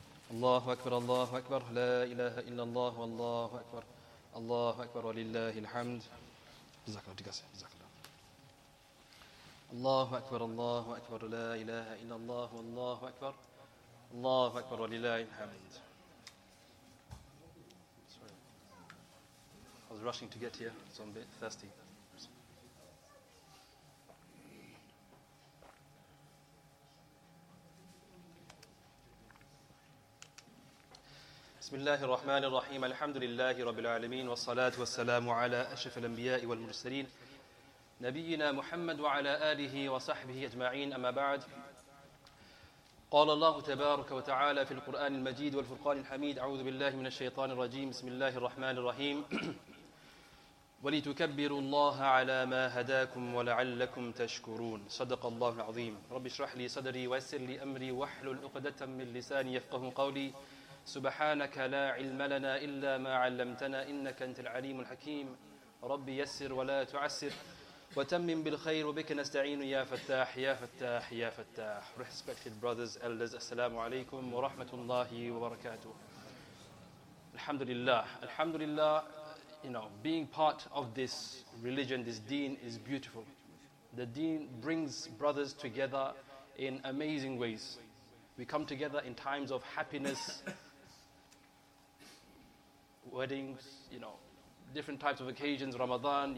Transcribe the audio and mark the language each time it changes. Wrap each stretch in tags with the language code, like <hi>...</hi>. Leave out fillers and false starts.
<ar>الله أكبر الله أكبر لا إله إلا الله والله أكبر الله أكبر ولله الحمد جزاك الله تكاسي جزاك الله الله أكبر الله أكبر لا إله إلا الله والله أكبر الله أكبر ولله الحمد.</ar> <en>I was rushing to get here, so I'm a bit thirsty.</en> <ar>بسم الله الرحمن الرحيم الحمد لله رب العالمين والصلاة والسلام على أشرف الأنبياء والمرسلين نبينا محمد وعلى آله وصحبه أجمعين أما بعد قال الله تبارك وتعالى في القرآن المجيد والفرقان الحميد أعوذ بالله من الشيطان الرجيم بسم الله الرحمن الرحيم ولتكبروا الله على ما هداكم ولعلكم تشكرون صدق الله العظيم رب اشرح لي صدري ويسر لي أمري واحلل عقدة من لساني يفقه قولي سبحانك لا علم لنا إلا ما علمتنا إنك أنت العليم الحكيم ربي يسر ولا تعسر وتمم بالخير وبك نستعين يا فتاح يا فتاح يا فتاح.</ar> <en>Respected brothers, elders,</en> <ar>السلام عليكم ورحمة الله وبركاته. الحمد لله الحمد لله.</ar> <en>You know, being part of this religion, this deen, is beautiful. The deen brings brothers together in amazing ways. We come together in times of happiness, weddings, you know, different types of occasions, Ramadan.</en>